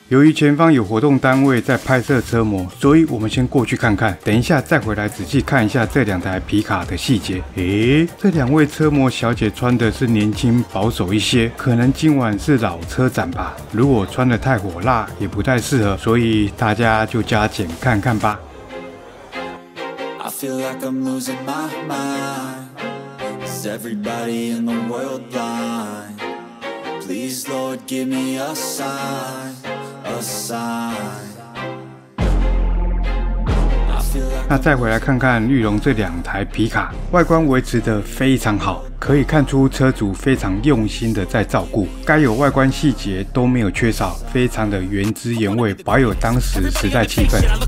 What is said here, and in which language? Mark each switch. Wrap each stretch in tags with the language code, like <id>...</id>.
<zh>由于前方有活动单位在拍摄车模，所以我们先过去看看，等一下再回来仔细看一下这两台皮卡的细节。诶，这两位车模小姐穿的是年轻保守一些，可能今晚是老车展吧，如果穿得太火辣也不太适合，所以大家就加减看看吧。</zh> <en>I feel like I'm losing my mind. Is everybody in the world blind? Please, Lord, give me a sign, a sign.</en> <zh>那再回来看看玉龙这两台皮卡，外观维持得非常好，可以看出车主非常用心的在照顾，该有外观细节都没有缺少，非常的原汁原味，保有当时时代气氛。</zh>